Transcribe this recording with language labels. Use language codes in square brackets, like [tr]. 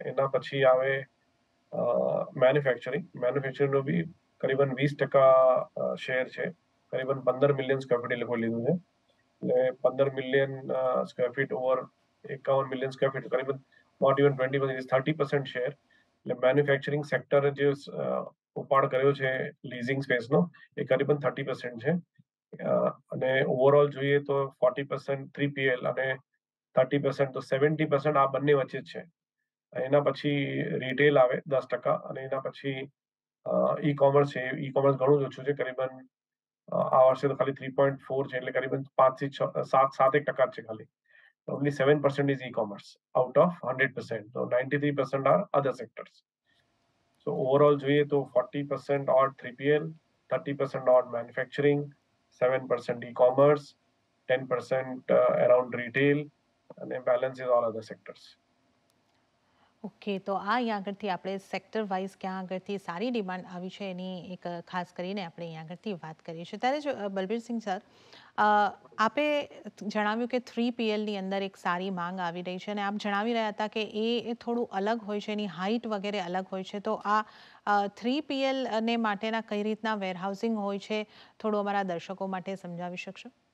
[gu] એના પછી આવે મેન્યુફેક્ચરિંગનું બી કરીબન 20% શેર છે, કરીબન 15 મિલિયન સ્ક્વેર ફીટ એ લોકોએ લીધું છે, એટલે 15 million square feet over 51 million square feet, કરીબન not even 20% share, એટલે મેન્યુફેક્ચરિંગ સેક્ટર જે ઉપાડ કર્યો છે લીઝિંગ સ્પેસનો એ કરીબન 30% છે, અને ઓવરઓલ જોઈએ તો 40% 3PL અને 30% તો 70% આ બંને વચ્ચે જ છે. એના પછી રિટેલ આવે 10%, અને એના પછી ઈ કોમર્સ છે, ઈ કોમર્સ ઘણું જ ઓછું છે, કરીબન આ વર્ષે તો ખાલી 3.4 છે, એટલે કરીબન 5-7% જ છે ખાલી. [en] Only 7% is e-commerce out of 100%. So 93% are other sectors. So overall, [gu] જોઈએ તો [en] 40% odd 3PL, 30% odd manufacturing, 7% e-commerce, 10% around retail, and balance is all other sectors. [gu] Okay, તો આ અહીંયા આગળથી આપણે સેક્ટર વાઇઝ ક્યાં આગળથી સારી ડિમાન્ડ આવી છે એની એક ખાસ કરીને આપણે અહીંયા આગળથી વાત કરીએ છીએ. ત્યારે જ બલબીરસિંહ સર, આપે જણાવ્યું કે 3PLની અંદર એક સારી માંગ આવી રહી છે અને આપ જણાવી રહ્યા હતા કે એ થોડું અલગ હોય છે, એની હાઇટ વગેરે અલગ હોય છે, તો આ 3PLને માટેના કઈ રીતના વેરહાઉસિંગ હોય છે થોડું અમારા દર્શકો માટે સમજાવી શકશો?